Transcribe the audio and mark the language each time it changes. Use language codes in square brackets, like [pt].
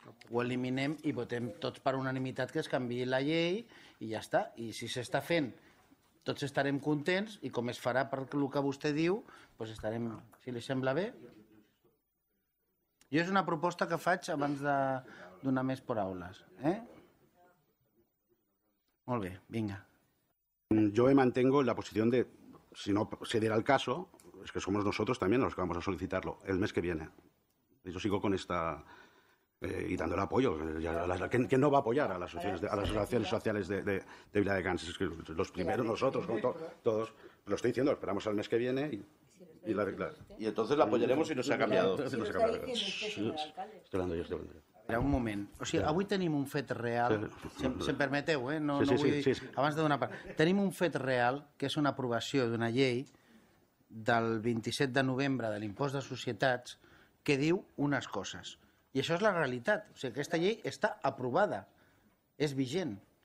[ca] ho eliminem i votem tots per unanimitat que es canviï la llei i ja està. I si s'està fent, tots estarem contents i com es farà per el que vostè diu, doncs estarem, si li sembla bé. Jo és una proposta que faig abans de donar més paraules. Molt bé, vinga. [es] Yo me mantengo en la posición de, si no se diera el caso, es que somos nosotros también los que vamos a solicitarlo el mes que viene. Yo sigo con esta, y dando el apoyo, que no va a apoyar a las asociaciones, a las asociaciones sociales de Viladecans, es que los primeros nosotros, ¿no? todos, lo estoy diciendo, esperamos al mes que viene y entonces la apoyaremos si no se ha cambiado. Si no se ha cambiado. Estoy hablando yo, estoy hablando yo. [ca] Era un moment. O sigui, avui tenim un fet real. Si em permeteu, abans de donar part. Tenim un fet real, que és una aprovació d'una llei del 27 de novembre de l'impost de societats que diu unes coses. I això és la realitat. O sigui, aquesta llei està aprovada, és vigent.